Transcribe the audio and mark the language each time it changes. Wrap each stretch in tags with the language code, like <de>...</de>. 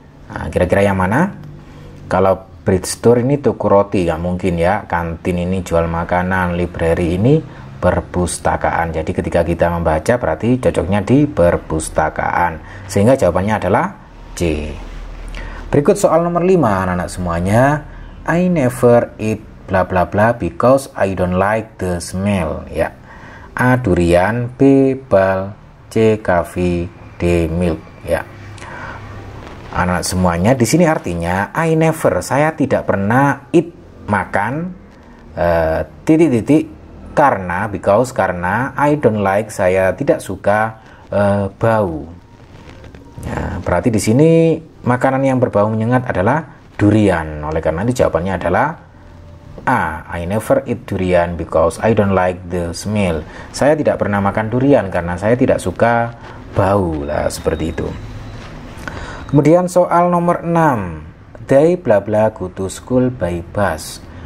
<id>Nah, kira-kira yang mana? Kalau bookstore ini toko roti, nggak mungkin ya. Kantin ini jual makanan, library ini perpustakaan. Jadi ketika kita membaca, berarti cocoknya di perpustakaan. Sehingga jawabannya adalah C. Berikut soal nomor 5, anak-anak semuanya.</id> <en>I never eat bla bla bla because I don't like the smell.</en> <id>Ya.</id> <en>A durian, B bal, C coffee, D milk. Ya.</en> <id>Anak-anak semuanya, di sini artinya</id> <en>I never,</en> <id>saya tidak pernah</id> <en>eat,</en> <id>makan titik-titik karena,</id> <en>because,</en> <id>karena</id> <en>I don't like,</en> <id>saya tidak suka bau. Ya, berarti di sini makanan yang berbau menyengat adalah durian. Oleh karena itu jawabannya adalah A.</id> <en>I never eat durian because I don't like the smell.</en> <id>Saya tidak pernah makan durian karena saya tidak suka bau. Lah, seperti itu. Kemudian soal nomor 6.</id> <en>They bla bla go to school by bus.</en>